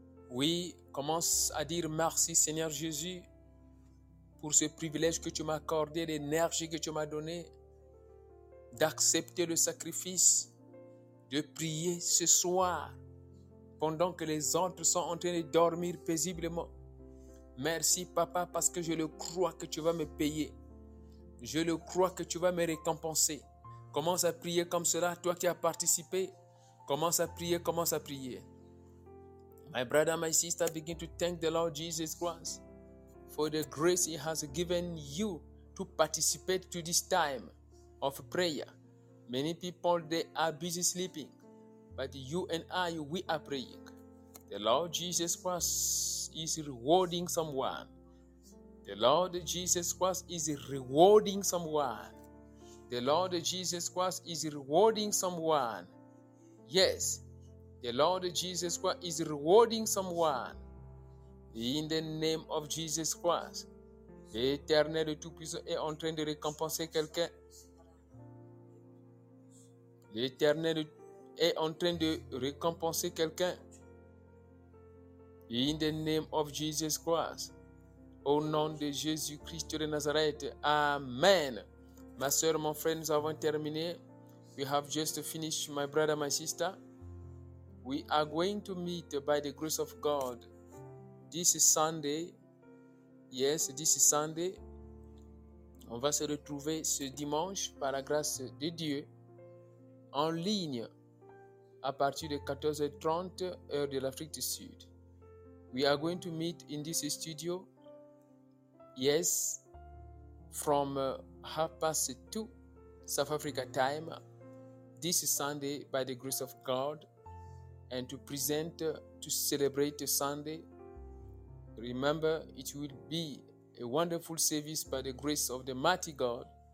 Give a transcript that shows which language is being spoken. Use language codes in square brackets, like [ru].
[fr] Oui, commence à dire merci Seigneur Jésus pour ce privilège que tu m'as accordé, l'énergie que tu m'as donné d'accepter le sacrifice, de prier ce soir pendant que les autres sont en train de dormir paisiblement. Merci Papa parce que je le crois que tu vas me payer. Je le crois que tu vas me récompenser. Commence à prier comme cela, toi qui as participé. Commence à prier. [en] My brother, my sister, begin to thank the Lord Jesus Christ for the grace He has given you to participate to this time of prayer. Many people, they are busy sleeping, but you and I, we are praying. The Lord Jesus Christ is rewarding someone. The Lord Jesus Christ is rewarding someone. The Lord Jesus Christ is rewarding someone. Yes. The Lord Jesus Christ is rewarding someone in the name of Jesus Christ. [fr] L'Éternel de tout puissant est en train de récompenser quelqu'un. L'Éternel est en train de récompenser quelqu'un. [en] In the name of Jesus Christ. [fr] Au nom de Jésus Christ de Nazareth. Amen. Ma soeur, mon frère, nous avons terminé. [en] We have just finished, my brother, my sister. We are going to meet by the grace of God this Sunday. Yes, this Sunday. [fr] On va se retrouver ce dimanche par la grâce de Dieu en ligne à partir de 14h30 heure de l'Afrique du Sud. [en] We are going to meet in this studio. Yes, from 2:30 South Africa time this Sunday by the grace of God. And to present, to celebrate Sunday. Remember, it will be a wonderful service by the grace of the mighty God.